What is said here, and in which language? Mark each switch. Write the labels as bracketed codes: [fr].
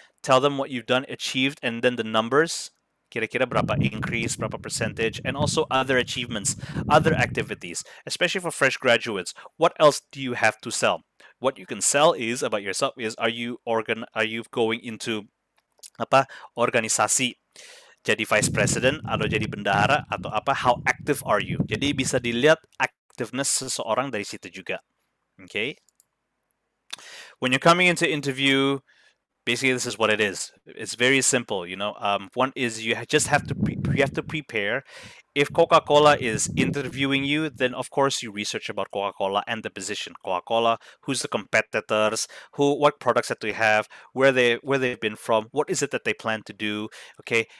[en] Tell them what you've done, achieved, and then the numbers, [id] kira-kira berapa increase, berapa percentage, [en] and also other achievements, other activities, especially for fresh graduates. What else do you have to sell? What you can sell is about yourself is are you going into [id] apa organisasi, jadi vice president atau jadi bendahara atau apa, [en] how active are you? [id] Jadi bisa dilihat activeness seseorang dari situ juga. [en] Okay. When you're coming into interview, basically this is what it is. It's very simple, you know. One is you have to prepare. If Coca-Cola is interviewing you, then of course you research about Coca-Cola and the position. Coca-Cola, who's the competitors, what products that they have, where they've been from, what is it that they plan to do. Okay.